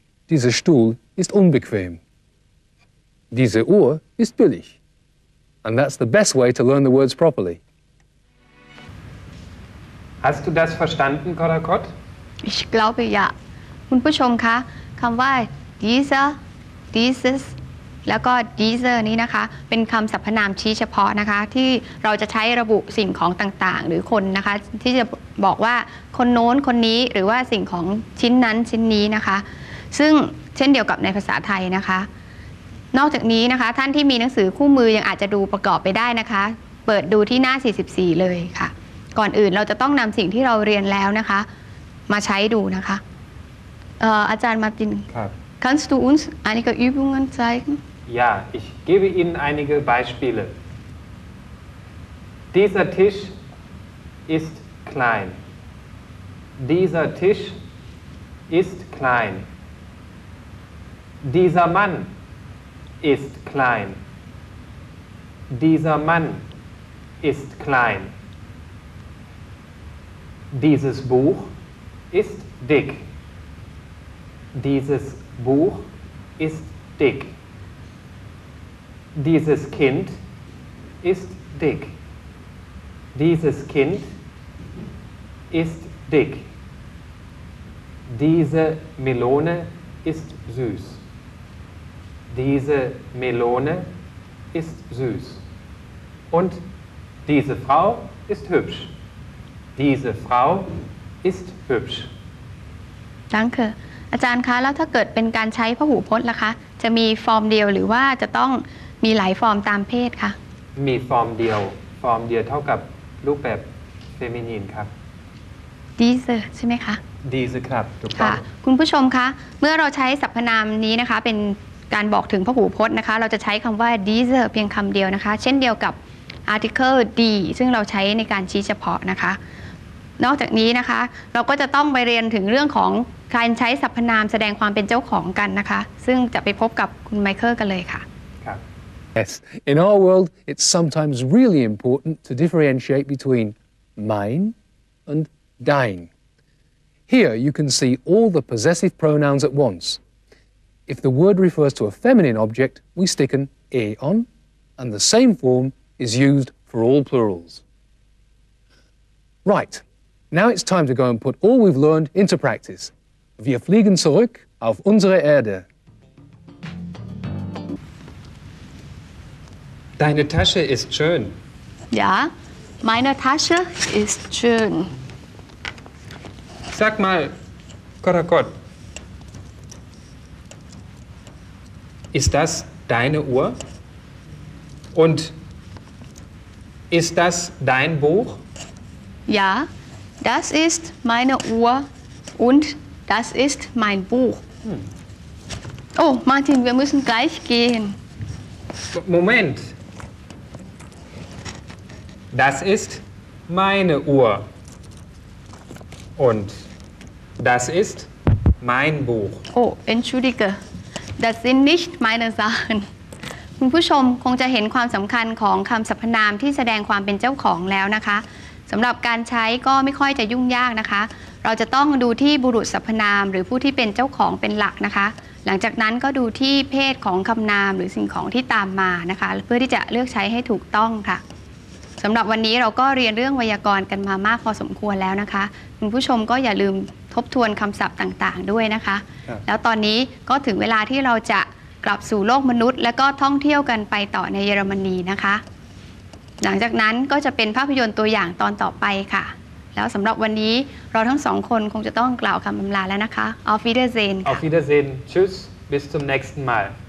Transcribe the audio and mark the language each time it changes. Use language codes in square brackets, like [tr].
[de] Dieser Stuhl ist unbequem. Diese Uhr ist billig. [en] And that's the best way to learn the words properly. [de] Hast du das verstanden, Karakot? Ich glaube ja. [th] คุณผู้ชมคะคำว่า dieser, dieses แล้วก็ dieser นี้นะคะเป็นคำสรรพนามชี้เฉพาะนะคะที่เราจะใช้ระบุสิ่งของต่างๆหรือคนนะคะที่จะบอกว่าคนโน้นคนนี้หรือว่าสิ่งของชิ้นนั้นชิ้นนี้นะคะซึ่งเช่นเดียวกับในภาษาไทยนะคะ นอกจากนี้นะคะท่านที่มีหนังสือคู่มือยังอาจจะดูประกอบไปได้นะคะเปิดดูที่หน้า44เลยค่ะก่อนอื่นเราจะต้องนำสิ่งที่เราเรียนแล้วนะคะมาใช้ดูนะคะอาจารย์มาร์ติน ครับ [de] Kannst du uns einige Übungen zeigen? Ja, ich gebe Ihnen einige Beispiele. Dieser Tisch ist klein. Dieser Tisch ist klein. Dieser Mann ist klein. Dieser Mann ist klein. Dieses Buch ist dick. Dieses Buch ist dick. Dieses Kind ist dick. Dieses Kind ist dick. Diese Melone ist süß. Diese Melone ist süß. Und diese Frau ist hübsch. Diese Frau ist hübsch. Danke. [th] อาจารย์คะแล้วถ้าเกิดเป็นการใช้พหูพจน์ล่ะคะจะมีฟอร์มเดียวหรือว่าจะต้องมีหลายฟอร์มตามเพศคะ มีฟอร์มเดียวฟอร์มเดียวเท่ากับรูปแบบเฟมินีนครับ Diese ใช่ไหมคะ [de] Diese ครับ [th] ค่ะคุณผู้ชมคะเมื่อเราใช้สรรพนามนี้นะคะเป็นการบอกถึงพหูพจน์นะคะเราจะใช้คำว่า Diese เพียงคำเดียวนะคะเช่นเดียวกับ Article die ซึ่งเราใช้ในการชี้เฉพาะนะคะนอกจากนี้นะคะเราก็จะต้องไปเรียนถึงเรื่องของการใช้สรรพนามแสดงความเป็นเจ้าของกันนะคะซึ่งจะไปพบกับคุณไมเคิลกันเลยค่ะ ครับ [en] Yes in our world it's sometimes really important to differentiate between mine and dein Here you can see all the possessive pronouns at once If the word refers to a feminine object we stick an a on and the same form is used for all plurals Right Now it's time to go and put all we've learned into practice. [de] Wir fliegen zurück auf unsere Erde. Deine Tasche ist schön. Ja, meine Tasche ist schön. Sag mal, Karakot, ist das deine Uhr? Und ist das dein Buch? Ja. Das ist meine Uhr und das ist mein Buch. Hm. Oh, Martin, wir müssen gleich gehen. Moment. Das ist meine Uhr und das ist mein Buch. Oh, entschuldige. Das sind nicht meine Sachen. [th] คุณผู้ชมคงจะเห็นความสำคัญของคำสรรพนามที่แสดงความเป็นเจ้าของแล้วนะคะสำหรับการใช้ก็ไม่ค่อยจะยุ่งยากนะคะเราจะต้องดูที่บุรุษสรรพนามหรือผู้ที่เป็นเจ้าของเป็นหลักนะคะหลังจากนั้นก็ดูที่เพศของคำนามหรือสิ่งของที่ตามมานะคะเพื่อที่จะเลือกใช้ให้ถูกต้องค่ะ สำหรับวันนี้เราก็เรียนเรื่องไวยากรณ์กันมามากพอสมควรแล้วนะคะคุณผู้ชมก็อย่าลืมทบทวนคำศัพท์ต่างๆด้วยนะคะแล้วตอนนี้ก็ถึงเวลาที่เราจะกลับสู่โลกมนุษย์และก็ท่องเที่ยวกันไปต่อในเยอรมนีนะคะหลังจากนั้นก็จะเป็นภาพยนตร์ตัวอย่างตอนต่อไปค่ะแล้วสำหรับวันนี้เราทั้งสองคนคงจะต้องกล่าวคำอำลาแล้วนะคะ [de] Auf Wiedersehen Auf Wiedersehen Tschüss Bis zum nächsten Mal